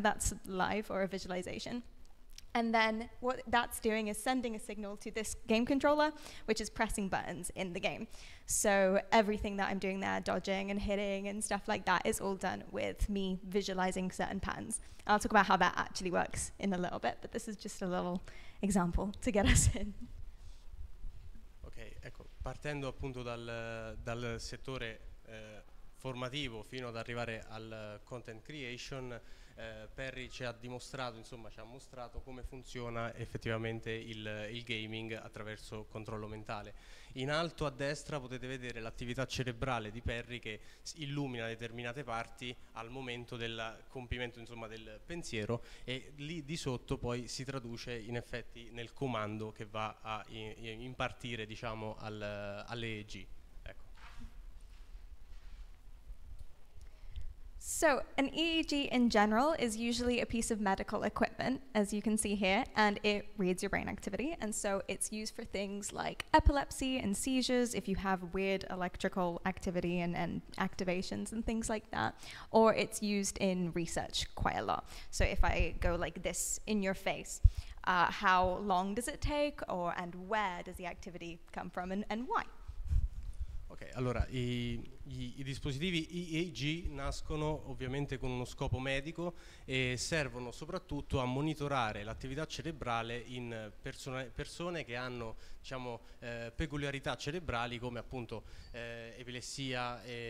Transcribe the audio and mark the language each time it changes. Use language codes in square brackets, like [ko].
[en] That's live or a visualization. And then what that's doing is sending a signal to this game controller, which is pressing buttons in the game. So everything that I'm doing there, dodging and hitting and stuff like that, is all done with me visualizing certain patterns. I'll talk about how that actually works in a little bit, but this is just a little example to get us in. [it] Ecco, partendo appunto dal settore formativo fino ad arrivare al content creation, Perry ci ha dimostrato, insomma, ci ha mostrato come funziona effettivamente il gaming attraverso controllo mentale. In alto a destra potete vedere l'attività cerebrale di Perry che illumina determinate parti al momento del compimento, insomma, del pensiero, e lì di sotto poi si traduce in effetti nel comando che va a impartire, diciamo, alle EEG. [en] So an EEG in general is usually a piece of medical equipment, as you can see here, and it reads your brain activity. And so it's used for things like epilepsy and seizures, if you have weird electrical activity and activations and things like that. Or it's used in research quite a lot. So if I go like this in your face, how long does it take, or and where does the activity come from, and why? [it] Ok, allora i dispositivi EEG nascono ovviamente con uno scopo medico e servono soprattutto a monitorare l'attività cerebrale in persone che hanno, diciamo, peculiarità cerebrali come appunto epilessia,